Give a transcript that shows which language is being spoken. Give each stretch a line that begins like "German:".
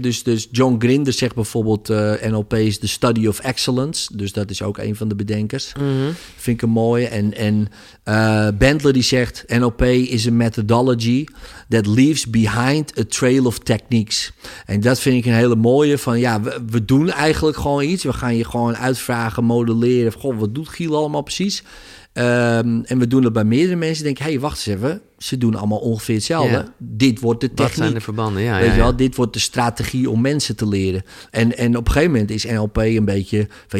Dutch: Dus John Grinder zegt bijvoorbeeld...
English: NLP is the study of excellence.
Dutch: Dus dat is ook een van de bedenkers. Mm-hmm. Vind ik een mooie. En Bandler die zegt...
English: NLP is a methodology that leaves behind a trail of techniques.
Dutch: En dat vind ik een hele mooie. We doen eigenlijk gewoon iets. We gaan je gewoon uitvragen, modelleren. Wat doet Giel allemaal precies? En we doen dat bij meerdere mensen. Denk, wacht eens even. Ze doen allemaal ongeveer hetzelfde. Yeah. Dit wordt de techniek. Wat zijn de verbanden? Ja, dit wordt de strategie om mensen te leren. En op een gegeven moment is NLP een beetje van...